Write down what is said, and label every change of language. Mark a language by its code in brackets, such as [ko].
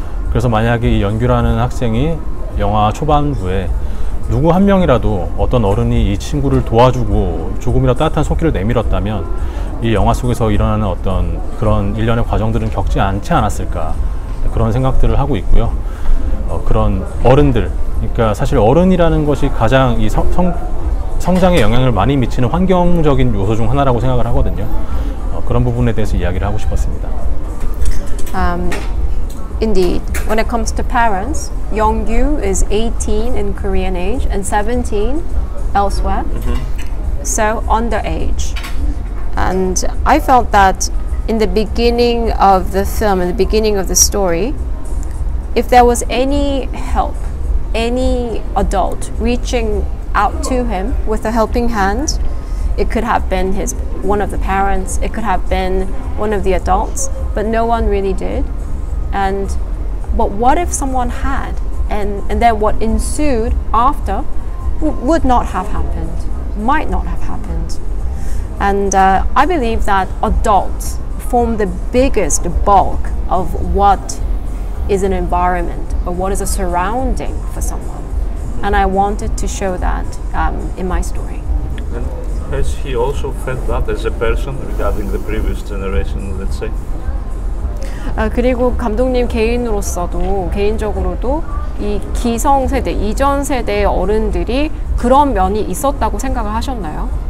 [ko] 그래서 만약에 이 연규라는 학생이 영화 초반부에 누구 한 명이라도 어떤 어른이 이 친구를 도와주고 조금이라도 따뜻한 손길을 내밀었다면 이 영화 속에서 일어나는 어떤 그런 일련의 과정들은 겪지 않지 않았을까, 그런 생각들을 하고 있고요. 그런 어른들, 그러니까 사실 어른이라는 것이 가장 이 성장에 영향을 많이 미치는 환경적인 요소 중 하나라고 생각을 하거든요. 그런 부분에 대해서 이야기를 하고 싶었습니다. [en] Indeed, when it comes to parents, Yongyu is 18 in Korean age and 17 elsewhere, so underage. And I felt that in the beginning of the film, in the beginning of the story, if there was any help, any adult reaching out to him with a helping hand, it could have been one of the parents, it could have been one of the adults, but no one really did. But what if someone had, and then what ensued after would not have happened, might not have happened. And I believe that adults form the biggest bulk of what is an environment or what is a surrounding for someone. And I wanted to show that in my story. And has he also felt that as a person regarding the previous generation, let's say? [ko] 그리고 감독님 개인으로서도 개인적으로도 이 기성 세대, 이전 세대의 어른들이 그런 면이 있었다고 생각을 하셨나요?